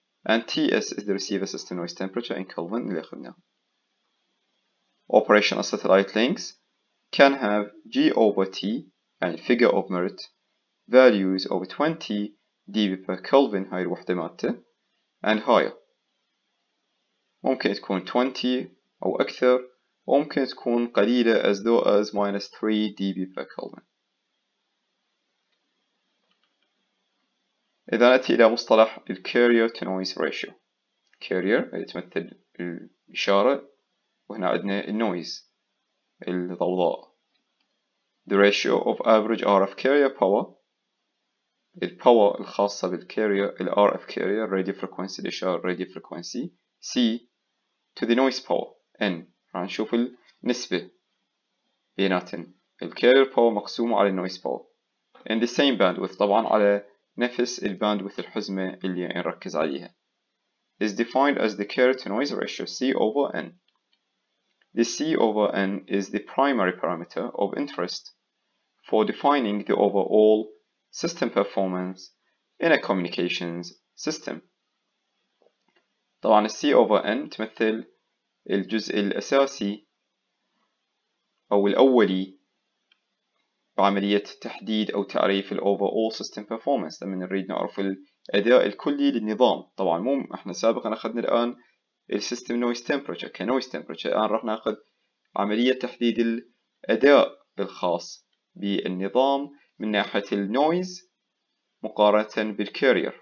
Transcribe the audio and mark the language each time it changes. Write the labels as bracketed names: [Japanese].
[English] And TS is the receiver system noise temperature in Kelvin [Arabic] اللي أخذناه. [English] Operation of satellite links can have G over T يعني figure of merit values of 20 dB per Kelvin [Arabic] هاي الوحدة مالته [English] and higher. [Arabic] ممكن تكون 20 أو أكثر، وممكن تكون قليلة [English] as low as minus 3 dB per Kelvin. [Arabic] إذا نأتي إلى مصطلح الـ carrier to noise ratio. Carrier اللي تمثل الإشارة، وهنا عندنا noise الضوضاء. [English] The ratio of average RF carrier power [Arabic] الpower الخاصة بالcarrier [English] الRF carrier radio frequency الإشارة radio frequency C to the noise power N. [Arabic] راح نشوف النسبة بيناتن [English] الcarrier power مقسومة على noise power in the same bandwidth [Arabic] طبعا على نفس الباندوث الحزمة اللي نركز عليها [English] is defined as the carrier to noise ratio C over N. The C over N is the primary parameter of interest for defining the overall system performance in a communications system. [Arabic] طبعا C over N تمثل الجزء الأساسي أو الأولي بعملية تحديد أو تعريف الـ overall system performance لما نريد نعرف الأداء الكلي للنظام. طبعا مو احنا سابقا أخذنا الآن الـ system noise temperature كـ noise temperature، الآن راح نأخذ عملية تحديد الأداء الخاص بالنظام من ناحية الـ noise مقارنة بالكارير.